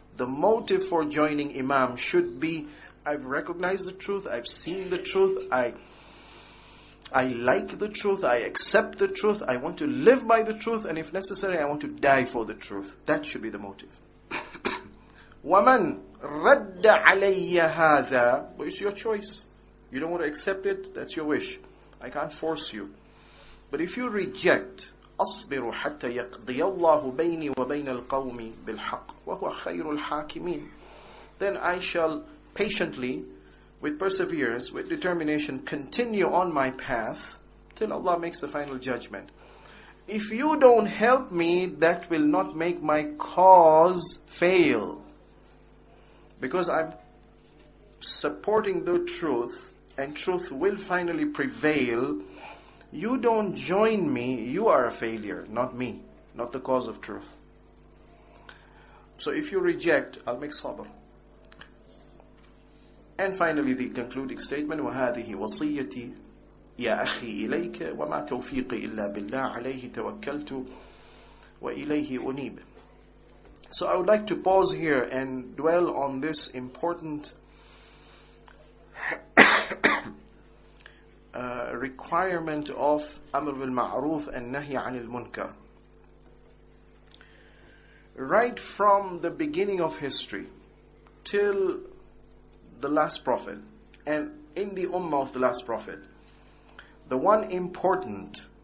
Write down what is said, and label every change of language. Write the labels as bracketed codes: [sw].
[en] The motive for joining Imam should be, I've recognized the truth, I've seen the truth, I like the truth, I accept the truth, I want to live by the truth, and if necessary, I want to die for the truth. That should be the motive. [ar] وَمَنْ رَدَّ عَلَيَّ هَذَا. [en] Well, it's your choice. You don't want to accept it, that's your wish. I can't force you. But if you reject, [ar] أَصْبِرُ حَتَّى يَقْضِيَ اللَّهُ بَيْنِي وَبَيْنَ الْقَوْمِ بِالْحَقِّ وَهُوَ خَيْرُ الْحَاكِمِينَ. [en] Then I shall patiently, with perseverance, with determination, continue on my path till Allah makes the final judgment. If you don't help me, that will not make my cause fail. Because I'm supporting the truth, and truth will finally prevail. You don't join me, you are a failure, not me, not the cause of truth. So if you reject, I'll make sabr. And finally, the concluding statement, [ar] وَهَذِهِ وَصِيَّتِي يَا أَخِي إِلَيْكَ وَمَا تَوْفِيقِ إِلَّا بِاللَّهِ عَلَيْهِ تَوَكَّلْتُ وَإِلَيْهِ أُنِيبِ. [en] So I would like to pause here and dwell on this important requirement of أمر بالمعروف and نهي عن المنكر. Right from the beginning of history till the last prophet, and in the ummah of the last prophet, the one important